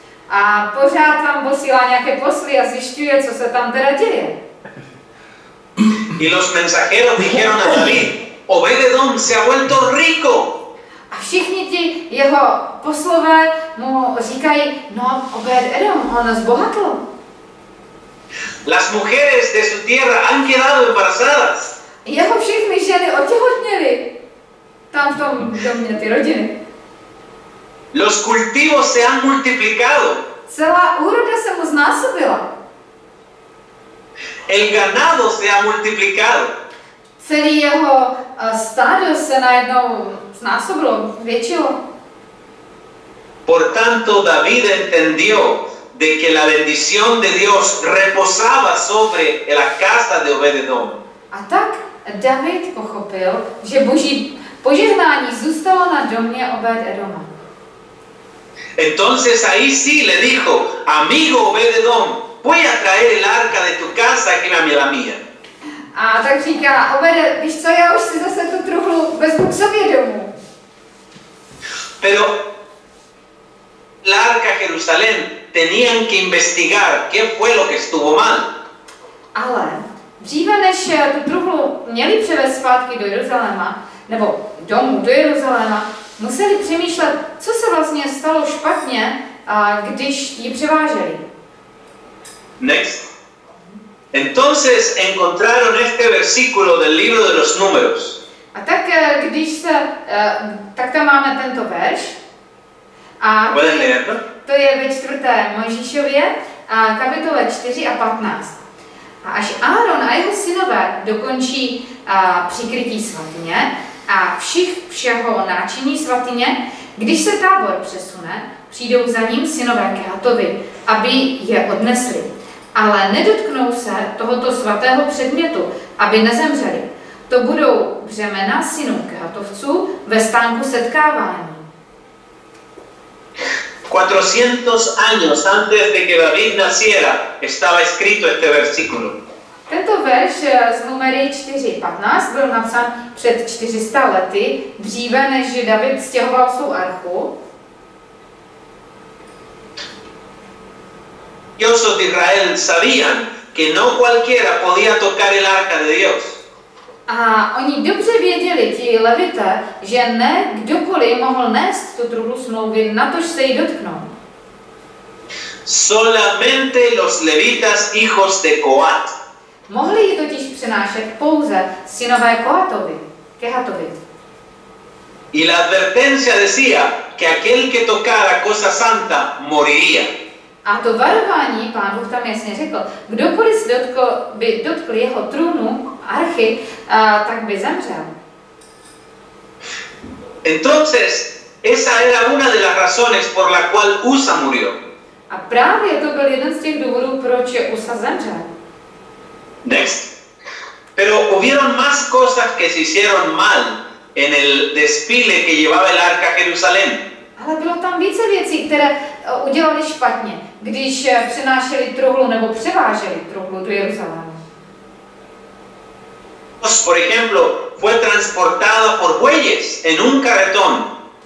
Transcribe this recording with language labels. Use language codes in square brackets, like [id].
[cs] A pořád tam posílá nějaké posly a zjišťuje, co se tam teda děje. [es] Y los mensajeros dijeron a David, Obededom se ha vuelto rico. [cs] A všichni ti jeho poslové mu říkají, no Obededom, on zbohatl. [es] Las mujeres de su tierra han quedado embarazadas. [cs] Jeho všechny ženy otěhotněly tam v tom domě, ty rodiny. [es] Los cultivos se han multiplicado. [cs] Celá úroda se mu znásobila. [es] El ganado se ha multiplicado. [cs] Celý jeho stádo se najednou znásobilo, většilo. [es] Por tanto, David entendió de que la bendición de Dios reposaba sobre la casa de Obededom. [cs] A tak David pochopil, že Boží požehnání zůstalo na domě Obededoma. [es] Entonces ahí sí le dijo, amigo Obededom, voy a traer el arca de tu casa aquí a mi la mía. [cs] A tak říká, Obede, víš co, já už si zase tu truhlu vezmu k sobě domů. [es] Pero la arca Jerusalén tenían que investigar qué fue lo que estuvo mal. [cs] Ale dříve než tu truhlu měli převést zpátky do Jeruzaléma, nebo domů do Jeruzaléma, museli přemýšlet, co se vlastně stalo špatně, když ji převáželi. [en] Next. [es] Entonces encontraron este versículo del libro de los números. [cs] A tak když se, tak tam máme tento verš. A to je ve 4. Mojžíšově, kapitole 4 a 15. A až Aaron a jeho synové dokončí přikrytí svatyně a všeho náčiní svatyně, když se tábor přesune, přijdou za ním synové Kehatovi, aby je odnesli. Ale nedotknou se tohoto svatého předmětu, aby nezemřeli. To budou břemena synů Kehatovců ve stánku setkávání. [es] 400 años antes de que David naciera, estaba escrito este versículo. [cs] Tento verš z numery 4.15 byl napsán před 400 lety, dříve než David stěhoval svou archu. [es] Dioses de Israel sabían que no cualquiera podía tocar el arca de Dios. [cs] A oni dobře věděli, ti levité, že ne kdokoliv mohl nést tu truhlu smlouvy, natož se jí dotknout. [es] Solamente los levitas hijos de Kohat. [cs] Mohli ji totiž přenášet pouze synové Kohatovi, Kehatovi. [es] Y la advertencia decía que aquel que tocara cosa santa moriría. [cs] A to varování pán Bůh tam jasně řekl, kdokoliv se dotkl, by dotkl jeho trůnu, archy, tak by zemřel. [es] Entonces, esa era una de las razones por la cual Usa murió. [cs] A právě to byl jeden z těch důvodů, proč je Usa zemřel. [en] Next. [es] Pero hubieron más cosas que se hicieron mal en el desfile que llevaba el arca a Jerusalén. [cs] Ale bylo tam více věcí, které udělali špatně, když přenášeli truhlu nebo převáželi truhlu do Jeruzaléma. [es] Por ejemplo, fue transportado por bueyes en un carretón.